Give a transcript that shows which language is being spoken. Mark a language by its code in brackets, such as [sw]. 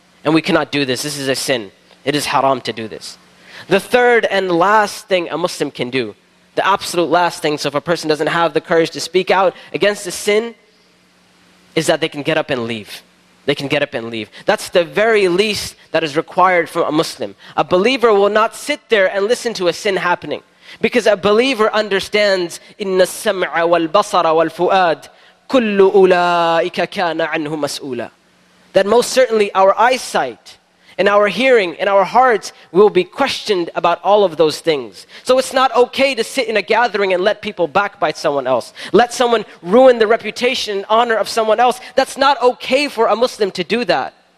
[en] And we cannot do this. This is a sin. It is haram to do this. The third and last thing a Muslim can do, the absolute last thing, so if a person doesn't have the courage to speak out against the sin, is that they can get up and leave. They can get up and leave. That's the very least that is required from a Muslim. A believer will not sit there and listen to a sin happening. Because a believer understands, [ar] إِنَّ السَّمْعَ وَالْبَصَرَ وَالْفُؤَادِ كُلُّ أُولَٰئِكَ كَانَ عَنْهُ مَسْؤُولًا. [en] That most certainly our eyesight, in our hearing, in our hearts, will be questioned about all of those things. So it's not okay to sit in a gathering and let people backbite someone else. Let someone ruin the reputation and honor of someone else. That's not okay for a Muslim to do that.